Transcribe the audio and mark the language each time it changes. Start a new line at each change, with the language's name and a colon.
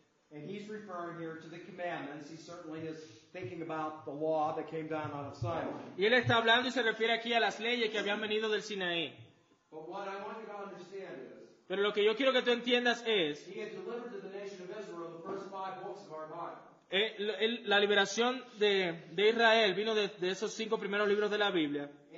English: And he's referring here to the commandments. He certainly is thinking about the law that came down out of Sinai.
Spanish: Y él está hablando y se refiere aquí a las leyes que habían venido del Sinaí.
English: But what I want you to understand is,
Spanish: pero lo que yo quiero que tú entiendas es,
English: he had delivered to the nation of Israel the first five books of our Bible.
Spanish: La liberación de Israel vino de esos cinco primeros libros de la Biblia.